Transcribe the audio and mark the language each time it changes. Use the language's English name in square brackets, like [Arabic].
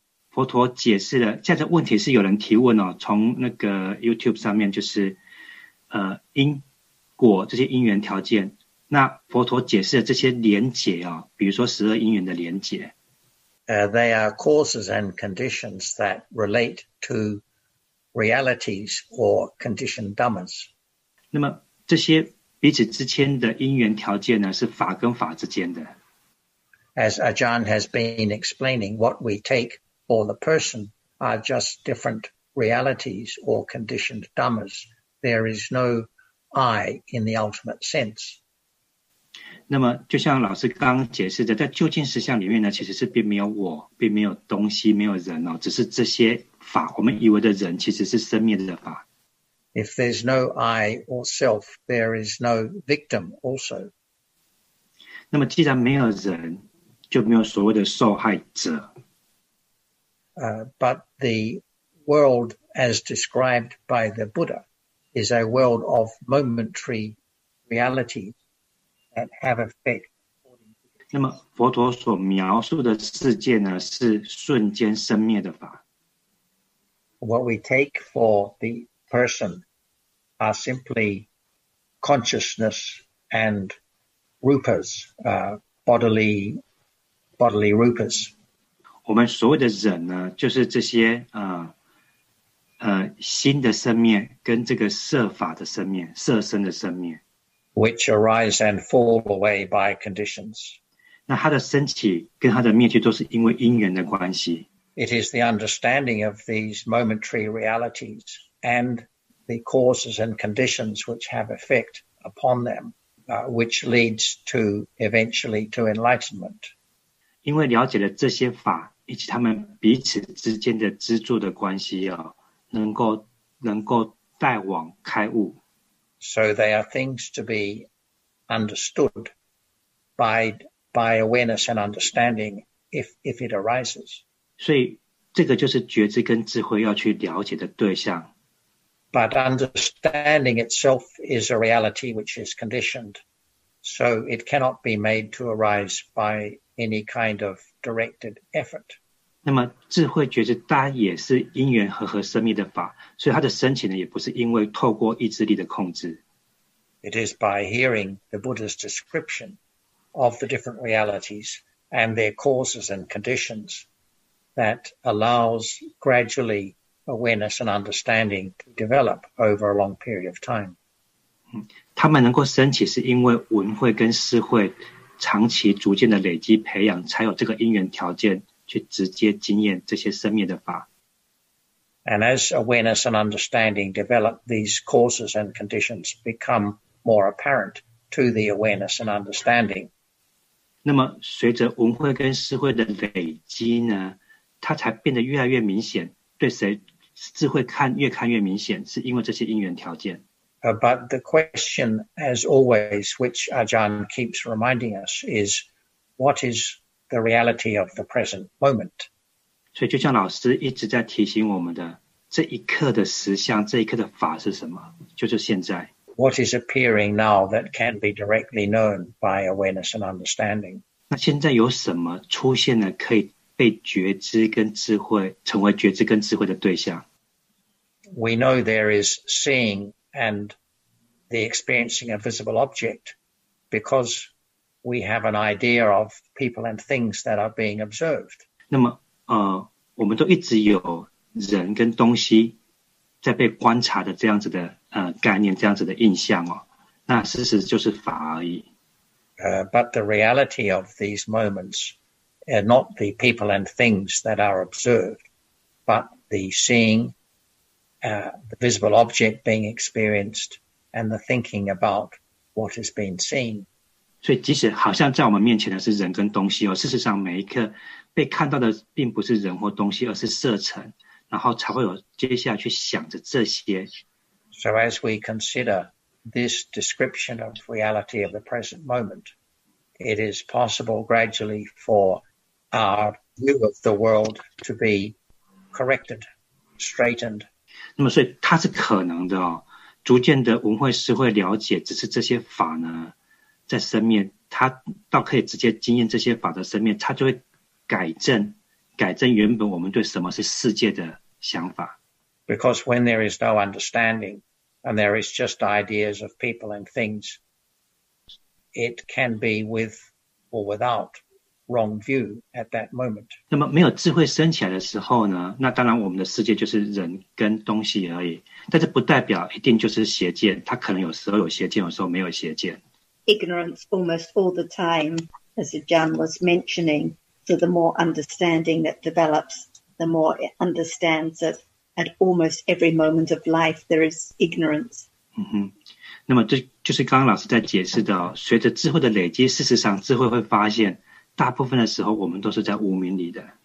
[Chinese] 佛陀解释了，现在问题是有人提问哦，从那个 YouTube 上面就是，因果这些因缘条件，那佛陀解释了这些连结哦，比如说十二因缘的连结。 [English] They are causes and conditions that relate to realities or conditioned dhammas. [Chinese] 那么这些彼此之间的因缘条件呢，是法跟法之间的。 [English] As Ajahn has been explaining, what we take. Or the person are just different realities or conditioned dhammas. There is no I in the ultimate sense. [Chinese] 那么，就像老师刚解释的，在究竟实相里面呢，其实是并没有我，并没有东西，没有人哦，只是这些法。我们以为的人，其实是生灭的法。 [English] If there's no I or self, there is no victim also. [Chinese] 那么，既然没有人，就没有所谓的受害者。 [English] But the world as described by the Buddha is a world of momentary realities that have effect. [Chinese] 那么佛陀所描述的世界呢，是瞬间生灭的法。 [English] What we take for the person are simply consciousness and rupas, bodily rupas. [Chinese] 我们所谓的忍呢，就是这些心的生灭跟这个色法的生灭，色身的生灭 [English] ，which arise and fall away by conditions。 [Chinese] 那它的升起跟它的灭去都是因为因缘的关系。 [English] It is the understanding of these momentary realities and the causes and conditions which have effect upon them, which leads to eventually to enlightenment。 [Chinese] 因为了解了这些法以及他们彼此之间的支柱的关系、哦、能够带往开悟。 [English] So they are things to be understood by awareness and understanding if it arises. [Chinese] 所以这个就是觉知跟智慧要去了解的对象。 [English] But understanding itself is a reality which is conditioned, so it cannot be made to arise by any kind of directed effort. [Chinese] 那么智慧觉知它也是因缘和合生灭的法，所以它的升起呢，也不是因为透过意志力的控制。 [English] It is by hearing the Buddha's description of the different realities and their causes and conditions that allows gradually awareness and understanding to develop over a long period of time. [Chinese] 它们能够升起是因为闻慧跟思慧长期逐渐的累积培养，才有这个因缘条件去直接经验这些生灭的法。 [English] And as awareness and understanding develop, these causes and conditions become more apparent to the awareness and understanding. [Chinese] 那么随着闻慧跟思慧的累积呢，它才变得越来越明显，对谁智慧看越看越明显，是因为这些因缘条件。 [English] But the question, as always, which Ajahn keeps reminding us, is what is the reality of the present moment? [Chinese] 所以就像老师一直在提醒我们的，这一刻的实相，这一刻的法是什么？就是现在。 [English] What is appearing now that can be directly known by awareness and understanding? [Chinese] 那现在有什么出现呢？可以被觉知跟智慧，成为觉知跟智慧的对象。 [English] We know there is seeing and the experiencing a visible object because we have an idea of people and things that are being observed. [Chinese] 那么，我们都一直有人跟东西在被观察的这样子的概念，这样子的印象哦。那事实就是法而已。 [English] But the reality of these moments are not the people and things that are observed, but the seeing, the visible object being experienced, and the thinking about what has been seen. [Chinese] 所以即使好像在我们面前的是人跟东西哦，事实上每一刻被看到的并不是人或东西，而是色尘，然后才会有接下来去想着这些。 [English] So as we consider this description of reality of the present moment, it is possible gradually for our view of the world to be corrected, straightened. [Chinese] 那么所以它是可能的哦，逐渐的文慧师会了解，只是这些法呢，在生灭，它倒可以直接经验这些法的生灭，它就会改正原本我们对什么是世界的想法。 [English] Because when there is no understanding,and there is just ideas of people and things, it can be with or without wrong view at that moment. [Chinese] 那么没有智慧升起来的时候呢，那当然我们的世界就是人跟东西而已，但这不代表一定就是邪见，它可能有时候有邪见，有时候没有邪见。 [English] Ignorance almost all the time, as Ajahn was mentioning, so the more understanding that develops, the more it understands itAt almost every moment of life, there is ignorance. [Chinese] 嗯哼，那么这就是刚刚老师在解释的、哦、随着智慧的累积，事实上智慧会发现，大部分的时候我们都是在无明里的。